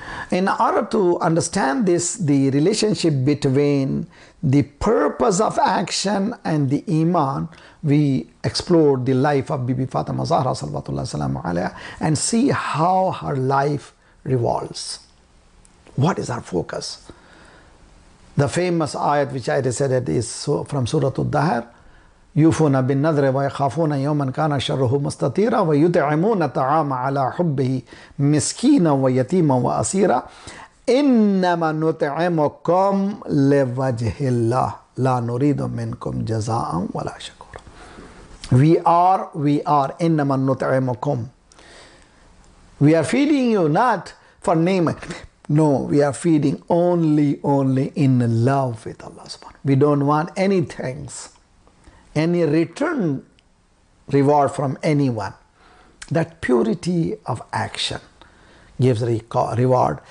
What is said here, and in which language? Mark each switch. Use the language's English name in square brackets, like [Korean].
[English] In order to understand this, the relationship between the purpose of action and the iman, we explore the life of Bibi Fatima Zahra Salawatullah Salamu Alayha and see how her life revolves. What is her focus? The famous ayat which I recited is from Surah Al-Dahr. [Arabic] يوفون بالنذر ويخافون يوما كان شره مستطيرا ويطعمون الطعام على حبه مسكينا ويتيما واسيرا انما نطعمكم لوجه الله لا نريد منكم جزاء ولا شكورا. [English] We are [Arabic] انما نطعمكم. [English] We are feeding you not for name. No, we are feeding only in love with Allah subhanahu. We don't want any thanks, any return reward from anyone. That purity of action gives reward.